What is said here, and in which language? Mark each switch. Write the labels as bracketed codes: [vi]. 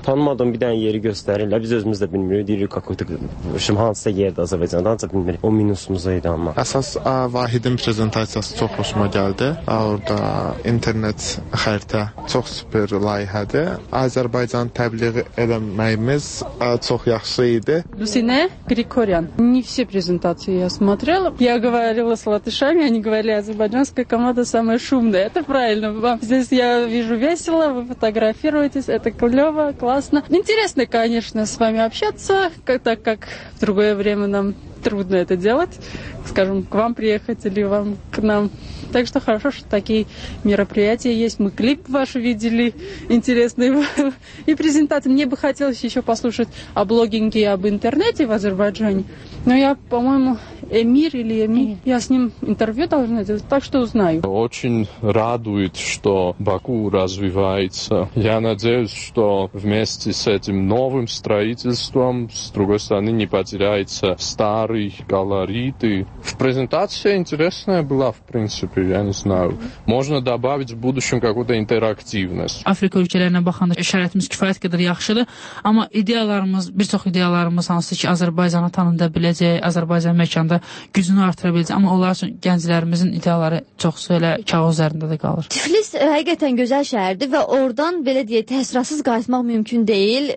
[az] Tanımadığım bir dənə yeri göstərirlər. Biz özümüz də bilmirik. Deyirik, kakutik, şim hansısa yerdə Azərbaycanda, ancaq bilmirik. O minusumuz idi amma. Əsas Vahidin prezentasiyası çox xoşuma gəldi. Orada internet xəritə çox süper layihədir. Azərbaycan təbliğ eləməyimiz çox yaxşı idi. Lusinə Qriqoryan. [ru] Не все презентации я смотрела. Я говорила с латышами, они говорили, азербайджанская команда самая шумная. Это правильно. Вам здесь я вижу весело, вы фотографируетесь, это клево, классно. Интересно, конечно, с вами общаться, так как в другое время нам трудно это делать, скажем, к вам приехать или вам к нам. Так что хорошо, что такие мероприятия есть. Мы клип ваш видели интересный и презентации. Мне бы хотелось еще послушать о блогинге и об интернете в Азербайджане. Но я, по-моему, Эмир. Я с ним интервью должна делать, так что узнаю. Очень радует, что Баку развивается. Я надеюсь, что вместе с этим новым строительством, с другой стороны, не потеряется старый колорит. В презентации интересная была, в принципе, я не знаю. Можно добавить в будущем какую-то интерактивность. [az] Африка ülkelerine bakan şəraitimiz kifayət qədər yaxşıdır. Amma ideyalarımız, bir çox ideyalarımız hansı ki, Azərbaycanı tanında biləcək, Azərbaycan məkanda da gücünü artıra biləcək. Amma onlar üçün gənclərimizin ideyaları çoxsu elə kağız üzərində də qalır. Tiflis həqiqətən gözəl şəhərdir və oradan belə deyək təsirsiz qayıtmaq mümkün deyil.